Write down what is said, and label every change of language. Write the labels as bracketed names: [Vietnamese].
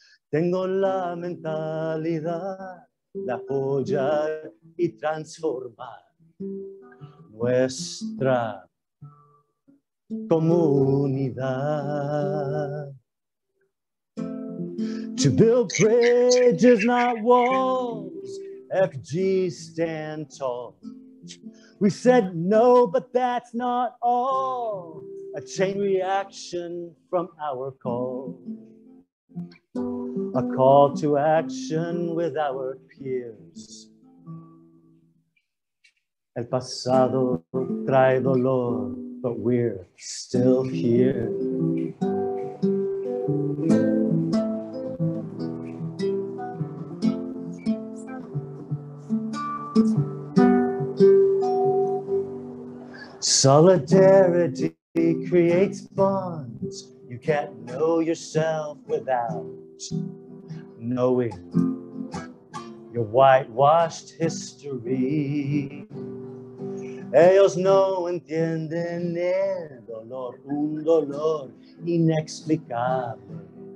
[Spanish] Tengo la mentalidad de apoyar y transformar nuestra comunidad. [English] To build bridges, not walls, FG stand tall. We said no, but that's not all. A chain reaction from our call. A call to action with our peers. [Spanish] El pasado trae dolor, [English] but we're still here. Solidarity creates bonds. You can't know yourself without knowing your whitewashed history. [Spanish] Ellos no entienden el dolor, un dolor inexplicable.